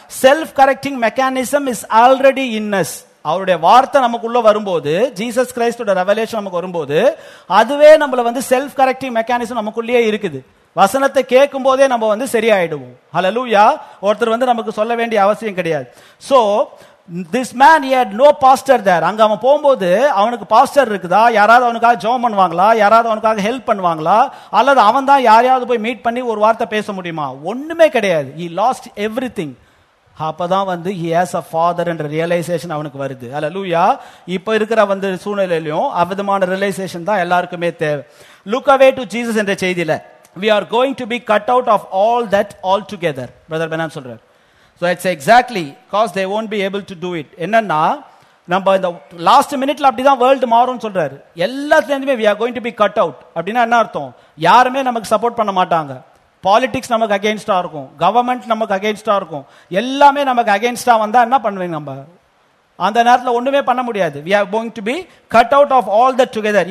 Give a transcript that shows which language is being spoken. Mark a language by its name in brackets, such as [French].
[English] Self correcting mechanism is already in us. [Tamil] அவருடைய வார்த்தை நமக்குள்ள வரும்போது, ஜீசஸ் கிரைஸ்டோட ரெவலேஷன் நமக்கு வரும்போது, அதுவே நம்மள வந்து செல்ஃப் கரெக்டிங் மெக்கானிசம் நமக்குள்ளேயே இருக்குது. வசனத்தை கேட்கும் போதே நம்ம வந்து சரியாயிடுவோம். ஹல்லேலூயா. ஒருத்தர் வந்து நமக்கு சொல்ல வேண்டிய அவசியம் கிடையாது. [English] So this man, he had no pastor there. [Tamil] அங்க அவன் போகும்போது அவனுக்கு பாஸ்டர் இருக்குதா, யாராவது அவனுக்காக ஜோம் பண்ணுவாங்களா, யாராவது அவனுக்காக ஹெல்ப் பண்ணுவாங்களா, அல்லது அவன் தான் யாரையாவது போய் மீட் பண்ணி ஒரு வார்த்தை பேச முடியுமா? ஒண்ணுமே கிடையாது. [English] He lost everything. [Tamil] அப்பதான் வந்து [English] he has a father [Tamil] என்ற ரியலைசேஷன் அவனுக்கு வருது. அல்லேலூயா. இப்ப இருக்கிற வந்து சூழ்நிலையிலும் அவிதமான ரியலைசேஷன் தான் எல்லாருக்குமே தேவை. [English] Look away to Jesus [Tamil] என்ற செய்தியில, [English] we are going to be cut out of all that altogether. Brother Benham [Tamil] சொல்றார். [English] So it's exactly because they won't be able to do it. [Tamil] என்னன்னா நம்ம இந்த லாஸ்ட் மினிட்ல அப்படிதான் வேர்ல்டு மாறும்னு சொல்றாரு. எல்லாத்துலேருந்துமே [English] we are going to be cut out. [Tamil] அப்படின்னா என்ன அர்த்தம்? யாருமே நமக்கு சப்போர்ட் பண்ண மாட்டாங்க. பாலிடிக்ஸ் நமக்கு அகேன்ஸ்டா இருக்கும், கவர்மெண்ட் நமக்கு அகேன்ஸ்டா இருக்கும், எல்லாமே நமக்கு அகேன்ஸ்டா வந்தா என்ன பண்ணுவீங்க? நம்ம அந்த நேரத்தில் ஒண்ணுமே பண்ண முடியாது. [English] We are going to be cut out of all that together.